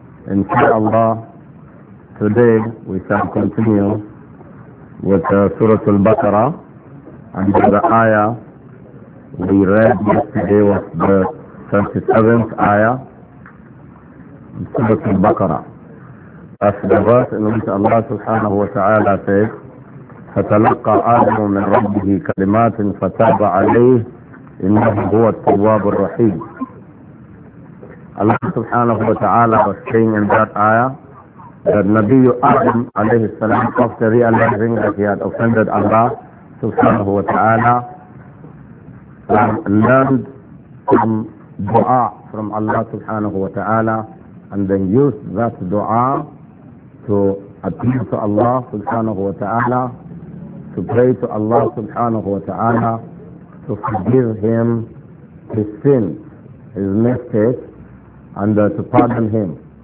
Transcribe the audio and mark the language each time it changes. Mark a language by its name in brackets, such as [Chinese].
[English] Inshallah, today we shall continue with Surah Al-Baqarah, and the ayah we read yesterday was the 37th ayah in Surah Al-Baqarah. That's the verse in which Allah subhanahu wa ta'ala says, [Arabic] فتلقى آدم من ربه كلمات فتاب عليه إنه هو التواب الرحيم. [English] Allah subhanahu wa ta'ala was saying in that ayah that Nabi Adam alayhi salam, after realizing that he had offended Allah subhanahu wa ta'ala, learned some dua from Allah subhanahu wa ta'ala and then used that dua to appeal to Allah subhanahu wa ta'ala, to pray to Allah subhanahu wa ta'ala to forgive him his sin, his mistake, and to pardon him.